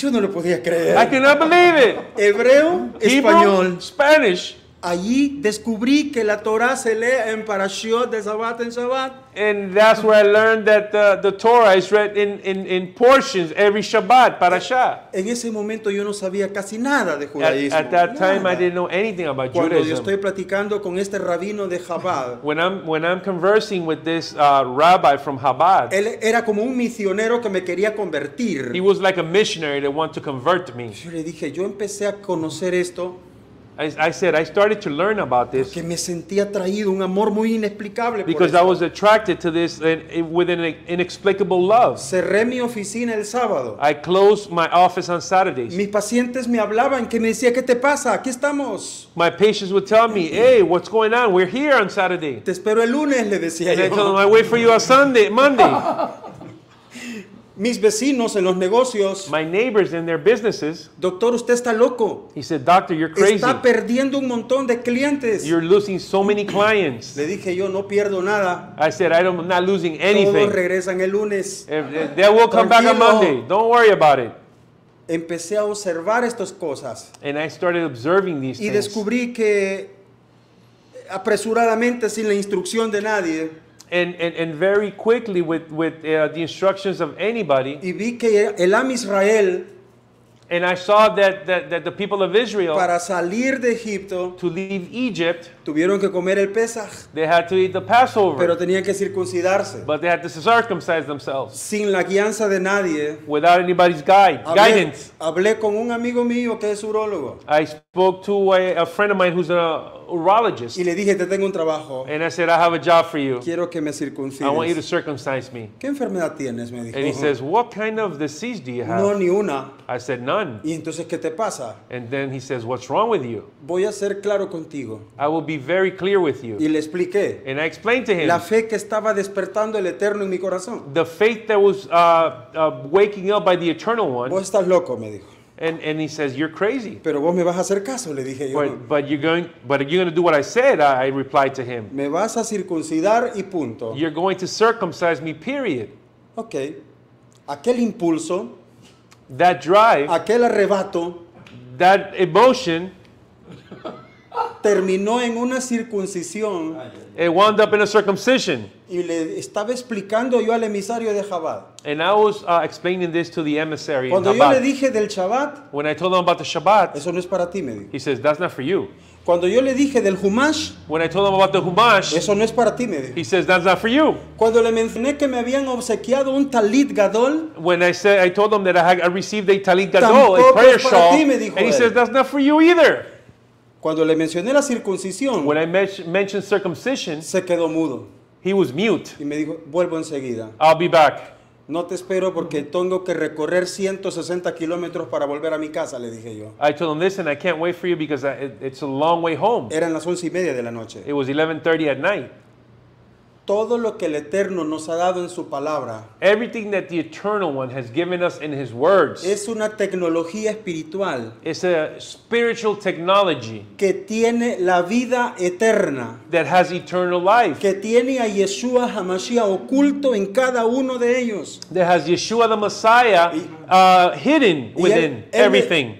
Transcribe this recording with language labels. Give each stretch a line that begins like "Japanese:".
Spanish: Yo no lo podía creer.
English: I cannot believe it.
Spanish: Hebreo,
English: Hebrew,
Spanish: español.
English: Spanish.
Spanish: Allí descubrí que la Torá se lee en parashiot de Shabbat en Shabbat.
English: And that's where I learned that the Torah is read in portions every Shabbat, parashah.
Spanish: En ese momento yo no sabía casi nada de judaísmo.
English: At that time I didn't know anything about
Spanish: Cuando
English: Judaism.
Spanish: Cuando estoy platicando con este rabino de Chabad.
English: When I'm conversing with this rabbi from Chabad.
Spanish: Él era como un misionero que me quería convertir.
English: He was like a missionary that wanted to convert me.
Spanish: Yo le dije, yo empecé a conocer esto.
English: I said, I started to learn about this.
Spanish: Porque me sentí atraído, un amor muy inexplicable.
English: Because I was attracted to this with an inexplicable love.
Spanish: Cerré mi oficina el sábado.
English: I closed my office on Saturdays.
Spanish: Mis pacientes me hablaban, que me decía, ¿qué te pasa? Aquí estamos.
English: My patients would tell me, hey, what's going on? We're here on Saturday.
Spanish: Te espero el lunes, le decía
English: And
Spanish: yo.
English: And I told them, I wait for you on Monday.
Spanish: Mis vecinos en los negocios.
English: My neighbors in their businesses.
Spanish: Doctor, usted está loco.
English: He said, doctor, you're crazy.
Spanish: Está perdiendo un montón de clientes.
English: You're losing so many clients.
Spanish: Le dije yo, no pierdo nada.
English: I said, I'm not losing anything.
Spanish: Todos regresan el lunes.
English: They will come back on Monday. Don't worry about it.
Spanish: Empecé a observar estas cosas.
English: And I started observing these things.
Spanish: Y descubrí que apresuradamente, sin la instrucción de nadie.
English: And very quickly with the instructions of anybody.
Spanish: Y vi que el Am Israel,
English: and I saw that the people of Israel,
Spanish: para salir de Egipto,
English: to leave Egypt,
Spanish: Tuvieron que comer el Pesach.
English: They had to eat the Passover.
Spanish: Pero tenían que circuncidarse.
English: But they had to circumcise themselves.
Spanish: Sin la guianza de nadie.
English: Without anybody's guidance.
Spanish: Hablé con un amigo mío que es urólogo.
English: I spoke to a friend of mine who's a urologist.
Spanish: Y le dije, te tengo un trabajo.
English: And I said, I have a job for you.
Spanish: Quiero que me circuncides.
English: I want you to circumcise me.
Spanish: ¿Qué enfermedad tienes? Me dijo.
English: And he says, what kind of disease do you have?
Spanish: No, ni una.
English: I said, none.
Spanish: ¿Y entonces qué te pasa?
English: And then he says, what's wrong with you?
Spanish: Voy a ser claro contigo.
English: I will be very clear with you.
Spanish: Y le expliqué.
English: And I explained to him.
Spanish: La fe que estaba despertando el Eterno en mi corazón.
English: The faith that was waking up by the Eternal One.
Spanish: Vos estás loco, me dijo.
English: And he says, you're crazy.
Spanish: Pero vos me vas a hacer caso, le dije yo.
English: But you're going to do what I said, I replied to him.
Spanish: Me vas a circuncidar y punto.
English: You're going to circumcise me, period.
Spanish: Okay. Aquel impulso.
English: That drive.
Spanish: Aquel arrebato.
English: That emotion.
Spanish: Terminó en una circuncisión.
English: It wound up in a circumcision.
Spanish: Y le estaba explicando yo al emisario de Chabad.
English: And I was explaining this to the emissary
Spanish: Cuando
English: in Chabad.
Spanish: Cuando yo le dije del Shabbat.
English: When I told him about the Shabbat.
Spanish: Eso no es para ti, me dijo.
English: He says, that's not for you.
Spanish: Cuando yo le dije del Humash.
English: When I told him about the Humash.
Spanish: Eso no es para ti, me dijo.
English: He says, that's not for you.
Spanish: Cuando le mencioné que me habían obsequiado un Talit Gadol.
English: When I told him that I received a Talit Gadol, a prayer shawl.
Spanish: Tampoco es para ti, me dijo.
English: And he says, that's not for you either.
Spanish: Cuando le mencioné la circuncisión,
English: when I mentioned circumcision,
Spanish: se quedó mudo.
English: He was mute.
Spanish: Y me dijo, vuelvo enseguida.
English: I'll be back.
Spanish: No te espero porque tengo que recorrer 160 kilómetros para volver a mi casa, le dije yo.
English: I told him, listen, I can't wait for you because it's a long way home.
Spanish: Eran las 11 y media de la noche.
English: It was 11:30 at night.
Spanish: Todo lo que el Eterno nos ha dado en su palabra.
English: Everything that the Eternal One has given us in His words.
Spanish: Es una tecnología espiritual.
English: It's a spiritual technology.
Spanish: Que tiene la vida eterna.
English: That has eternal life.
Spanish: Que tiene a Yeshua HaMashiach oculto en cada uno de ellos.
English: That has Yeshua the Messiah hidden within everything.